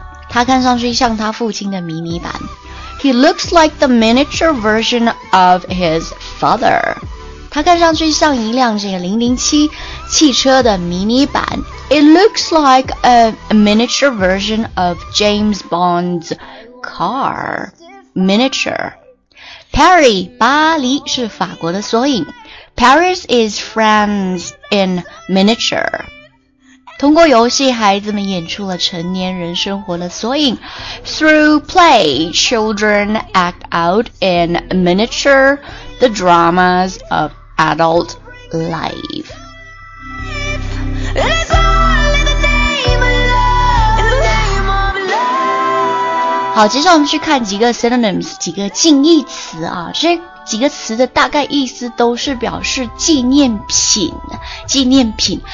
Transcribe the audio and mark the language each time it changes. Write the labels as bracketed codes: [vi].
[zh] 他看上去像他父亲的迷你版。 [en] He looks like the miniature version of his father. [zh] 他看上去像一辆这个007汽车的迷你版。 [en] It looks like a miniature version of James Bond's car. Miniature. [zh] Paris, 巴黎是法国的缩影。 [en] Paris is France in miniature. [zh] 通过游戏孩子们演出了成年人生活的缩影。 [en] Through play, children act out in miniature the dramas of adult life. It's all in the name of love, in the name of love. [zh] 好，接下来我们去看几个 synonyms, 几个近义词啊，这几个词的大概意思都是表示纪念品，纪念品。